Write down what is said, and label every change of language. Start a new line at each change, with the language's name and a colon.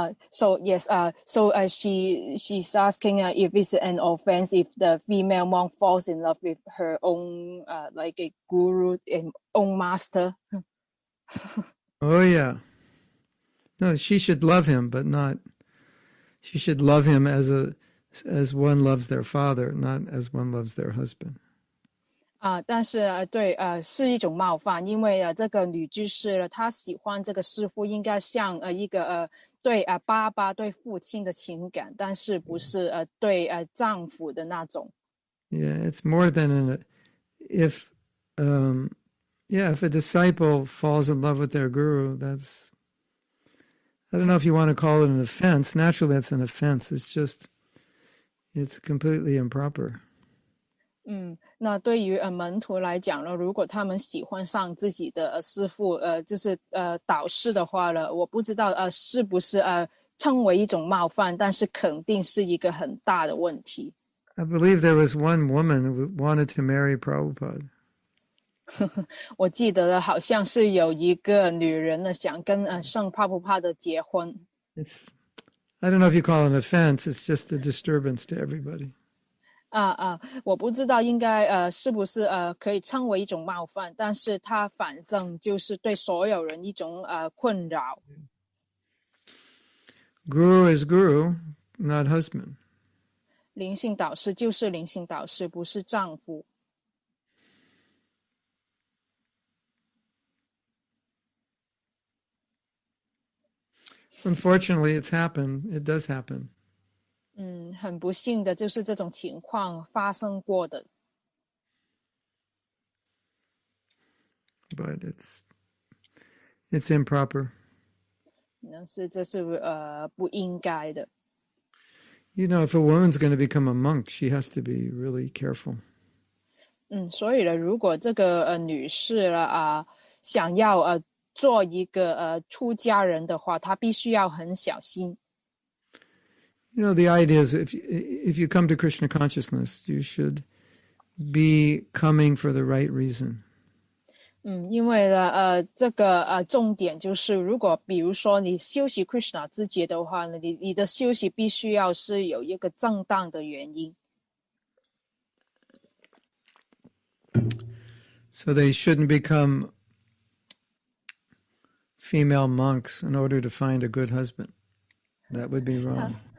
English: So she's asking if it's an offense if the female monk falls in love with her own like a guru and own master. Oh yeah, no, she should love him, but not. She should love him as one loves their father, not as one loves their husband.
Chinese: 但是对是一种冒犯，因为这个女居士她喜欢这个师父，应该像一个对爸爸对父亲的情感，但是不是对丈夫的那种。
English: Yeah, it's more than an if a disciple falls in love with their guru, that's I don't know if you want to call it an offense. Naturally, it's an offense. It's just it's completely improper.
Chinese: 嗯，那对于门徒来讲呢，如果他们喜欢上自己的师父，就是导师的话呢，我不知道是不是称为一种冒犯，但是肯定是一个很大的问题。
English: I believe there was one woman who wanted to marry Prabhupada.
Chinese: 我记得好像是有一个女人呢，想跟圣帕布帕德结婚。
English: I don't know if you call it an offense. It's just a disturbance to everybody.
Chinese: 我不知道应该是不是可以称为一种冒犯，但是它反正就是对所有人一种困扰。
English: Guru is guru, not husband.
Chinese: 灵性导师就是灵性导师，不是丈夫。
English: Unfortunately, it's happened. It does happen.
Chinese: 嗯，很不幸的就是这种情况发生过的。
English: But it's improper.
Chinese: 但是这是不应该的。
English: You know, if a woman's going to become a monk, she has to be really careful.
Chinese: 嗯，所以呢，如果这个女士了想要做一个出家人的话，她必须要很小心。
English: You know, the idea is if you come to Krishna consciousness, you should be coming for the right reason.
Chinese: 嗯，因为这个重点就是，如果比如说你修习 Krishna 之觉的话呢，你的修习必须要是有一个正当的原因。
English: So they shouldn't become female monks in order to find a good husband. That would be wrong.